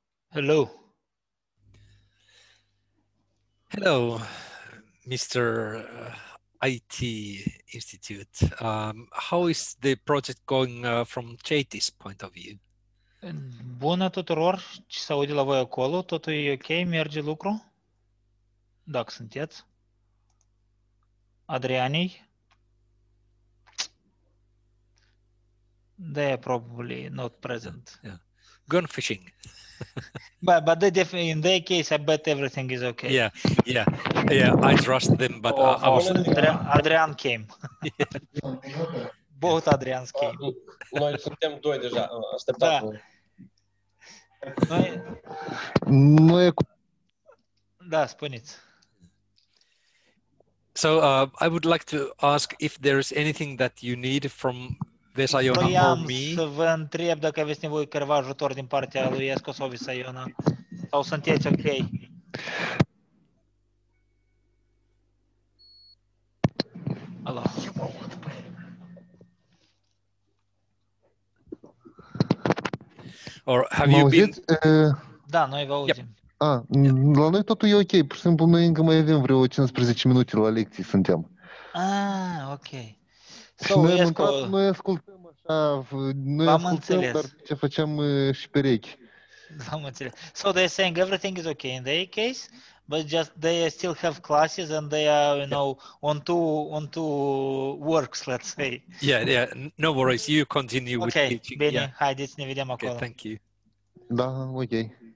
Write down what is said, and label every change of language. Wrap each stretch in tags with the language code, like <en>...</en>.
<en>Hello. Hello, Mr. IT Institute. How is the project going from JT's point of view?</en> <ro>Bună tuturor, ce s-a audit la voi acolo? Totul e ok, merge lucru? Dacă sunteți. Adrianii?</ro> <en>They are probably not present. Yeah. Gone fishing. but in their case, I bet everything is okay. Yeah. I trust them, but I was... Adrian came. Yeah. Both Adrians came.</en> <ro>Noi suntem doi deja, așteptat. Noi... Da, spuneți.</ro> <en>So, I would like to ask if there is anything that you need from... Vesayona or me?</en> <ro>Să vă întreb dacă aveți nevoie careva ajutor din partea lui Esco sau Vesayona. Sau sunteți ok? Alo.</ro> <en>Or have you been...</en> <ro>Da, noi vă auzim. Yep. La noi totul e ok. Pur și simplu noi încă mai avem vreo 15 minute la lecții suntem. Ah, ok. Noi ascultăm așa, noi ascultăm, dar ce făceam și perechi. V-am înțeles.</ro> <en>So they're saying everything is okay in their case, but just they still have classes and they are, you know, on two works, let's say. Yeah, no worries, you continue with okay, teaching.</en> <ro>Bine,</ro> <en>yeah.</en> <ro>Haideți, ne vedem acolo.</ro> <en>Okay, thank you.</en> <ro>Da, ok.</ro>